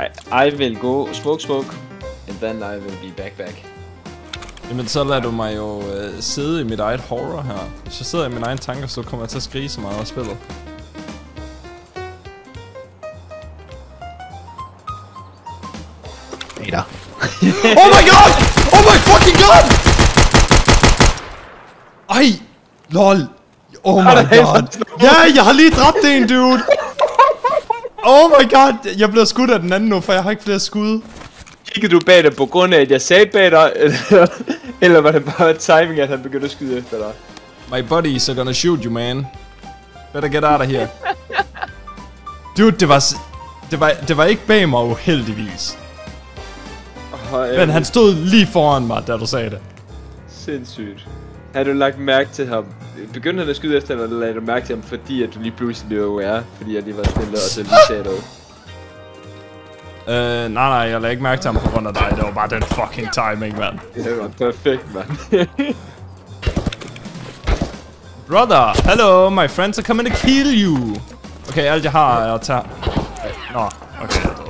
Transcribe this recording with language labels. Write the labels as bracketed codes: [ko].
[en] I will go smoke, and then I will be back. [da] Jamen, så lader du mig jo sidde i mit eget horror her. Hvis jeg sidder i mine egne tanker, så kommer jeg til at skrige så meget og spille. Hey da. [en] Oh my god! Oh my fucking god! Ej! Lol! Oh my god! [da] Ja, jeg har lige dræbt en, dude! [en] Oh my god! [da] Jeg bliver skudt af den anden nu, for jeg har ikke flere skud. Kiggede du bag dig på grund af, at jeg sagde bag dig? Eller var det bare timing, at han begyndte at skyde efter dig? [en] My buddies are gonna shoot you, man. Better get out of here. [da] Dude, det var ikke bag mig, uheldigvis. Men han stod lige foran mig, da du sagde det. Sindssygt. Har du lagt mærke til ham? Begyndte han at skyde efter, eller lagde du mærke til ham, fordi at du lige pludselig blev aware? Fordi jeg lige var stille og så lige sagde det. Nej, jeg lagde ikke mærke til ham på grund af dig. Det var bare den fucking timing, mand. Det var perfekt, mand. [en] Brother, hello, my friends are coming to kill you. [da] Okay, alt jeg har er at tage... Nå, okay.